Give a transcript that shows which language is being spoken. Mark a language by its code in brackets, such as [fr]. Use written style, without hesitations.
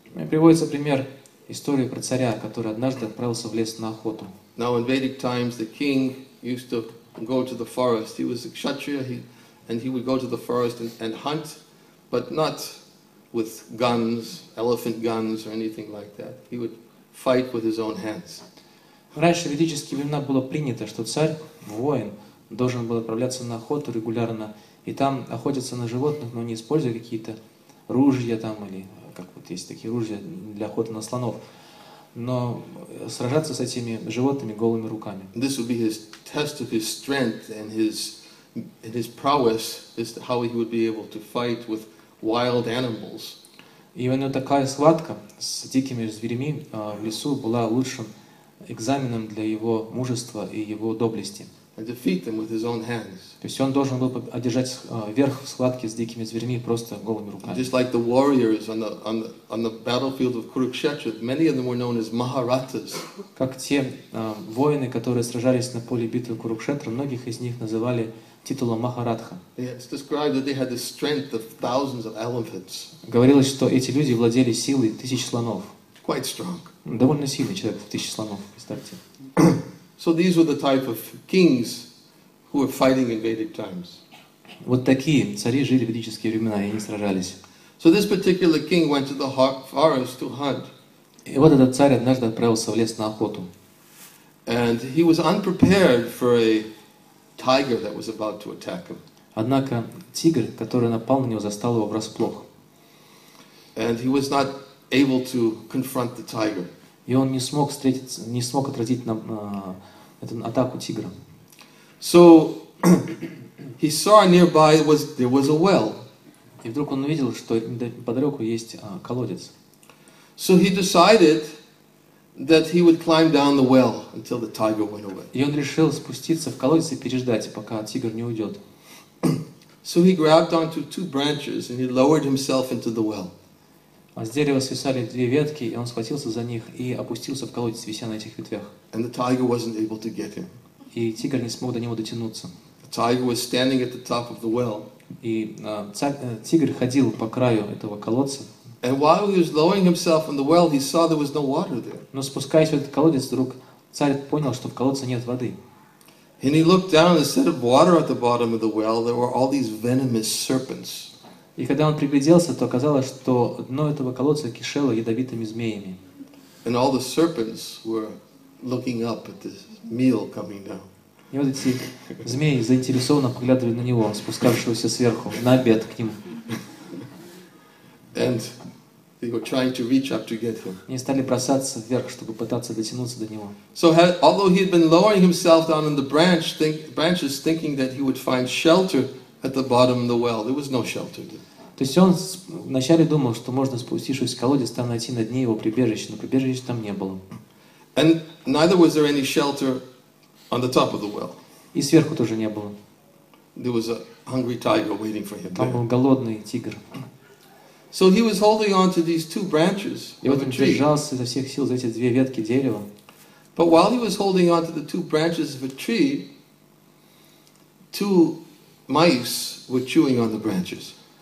[ru] Приводится пример истории про царя, который однажды отправился в лес на охоту. [en] Now in Vedic times the king used to go to the forest. He was a kshatriya, and he would go to the forest and hunt, but not with guns, elephant guns or anything like that. He would fight with his own hands. [ru] Раньше в ведические времена было принято, что царь, воин, должен был отправляться на охоту регулярно и там охотиться на животных, но не используя какие-то ружья там или как вот есть такие ружья для охоты на слонов, но сражаться с этими животными голыми руками. [en] This would be his test of his strength and his prowess as to how he would be able to fight with wild animals. [ru] И именно такая схватка с дикими зверями в лесу была лучшим экзаменом для его мужества и его доблести. То есть он должен был одержать верх в схватке с дикими зверями просто голыми руками. [en] Just like the warriors on the battlefield of Kurukshetra, many of them were known as Maharathas. [ru] Как те воины, которые сражались на поле битвы Курукшетра, многих из них называли титулом Махаратха. [en] It's described that they had the strength of thousands of elephants. [ru] Говорилось, что эти люди владели силой тысяч слонов. [en] Quite strong. [ru] Довольно сильный человек, в тысячи слонов, представьте. [en] So these were the type of kings who were fighting in Vedic times. [ru] Вот такие цари жили в ведические времена, и они сражались. [en] So this particular king went to the forest to hunt. [ru] И вот этот царь однажды отправился в лес на охоту. [en] And he was unprepared for a tiger that was about to attack him. [ru] Однако тигр, который напал на него, застал его врасплох. [en] And he was not able to confront the tiger. [ru] И он не смог отразить атаку тигра. [en] So he saw nearby was there was a well. [ru] И вдруг он увидел, что подалеку есть колодец. [en] So he decided that he would climb down the well until the tiger went away. [ru] И он решил спуститься в колодец и переждать, пока тигр не уйдет. [en] So he grabbed onto two branches and he lowered himself into the well. [ru] А с дерева свисали две ветки, и он схватился за них и опустился в колодец, вися на этих ветвях. [en] And the tiger wasn't able to get him. [ru] И тигр не смог до него дотянуться. [en] The tiger was standing at the top of the well. [ru] И тигр ходил по краю этого колодца. [en] And while he was lowering himself in the well, he saw there was no water there. [ru] Но спускаясь в этот колодец, вдруг царь понял, что в колодце нет воды. [en] And he looked down, instead of water at the bottom of the well, there were all these venomous serpents. [ru] И когда он пригляделся, то оказалось, что дно этого колодца кишело ядовитыми змеями. [en] And all the serpents were looking up at this meal coming down. [ru] И вот эти змеи заинтересованно поглядывали на него, спускавшегося сверху, на обед к ним. [en] And they were trying to reach up to get him. [ru] Они стали бросаться вверх, чтобы пытаться дотянуться до него. [en] So although he had been lowering himself down in the branches, thinking that he would find shelter at the bottom of the well, there was no shelter there. [ru] То есть он вначале думал, что можно спустившись в колодец, там найти на дне его прибежище, но прибежища там не было. [en] And neither was there any shelter on the top of the well. [ru] И сверху тоже не было. [en] There was a hungry tiger waiting for him. [ru] Там был голодный тигр. [en] So he was holding on to these two branches of a tree. [ru] И вот он держался изо всех сил за эти две ветки дерева. [en] But while he was holding on to the two branches of a tree, two mice were chewing on the branches.